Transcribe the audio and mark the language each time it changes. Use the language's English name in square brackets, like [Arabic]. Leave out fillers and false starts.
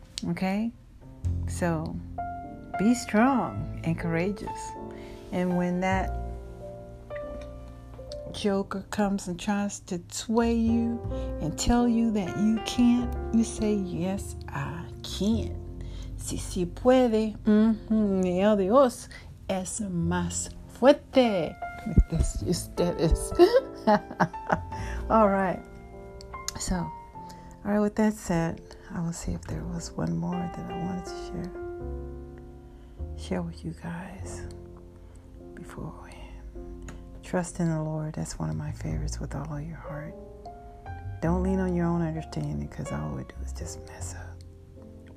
[English] Okay, so be strong and courageous. And when that joker comes and tries to sway you and tell you that you can't, you say, yes, I can. [Spanish] Si si puede, el Dios es más fuerte. [English] That's just that is. All right, with that said, I will see if there was one more that I wanted to share with you guys before we end. Trust in the Lord. That's one of my favorites, with all of your heart. Don't lean on your own understanding, because all we do is just mess up.